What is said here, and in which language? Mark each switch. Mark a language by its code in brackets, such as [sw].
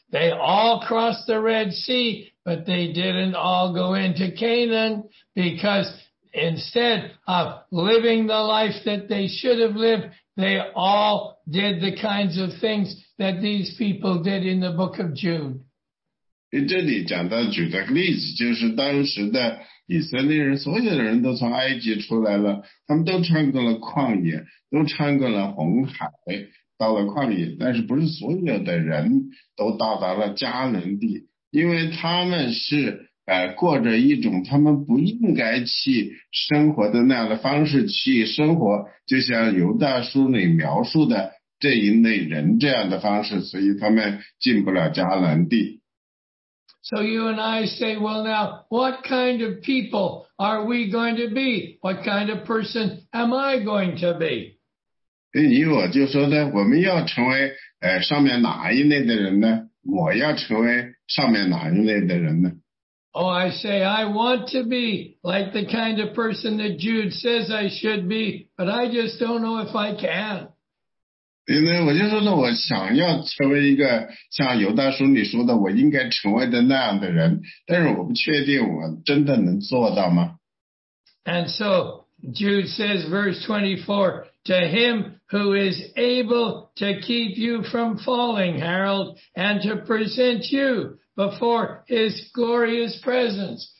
[en] They all crossed the Red Sea, but they didn't all go into Canaan because instead of living the life that they should have lived, they all did the kinds of things that these people did in the Book of Jude. [zh] 这里讲到举的例子，就是当时的以色列人，所有的人都从埃及出来了，他们都穿过了旷野，都穿过了红海，到了旷野，但是不是所有的人都到达了迦南地，因为他们是过着一种他们不应该去生活的那样的方式去生活，就像犹大书里描述的这一类人这样的方式，所以他们进不了迦南地。 [en] So you and I say, well now, what kind of people are we going to be? What kind of person am I going to be? [zh] 你我就说呢，我们要成为上面哪一类的人呢？我要成为上面哪一类的人呢？ [en] Oh, I say, I want to be like the kind of person that Jude says I should be, but I just don't know if I can. [zh] 因为我就说呢，我想要成为一个像犹大书里说的我应该成为的那样的人，但是我不确定我真的能做到吗？ [en] And so, Jude says, verse 24, to him who is able to keep you from falling, Harold, and to present you before his glorious presence.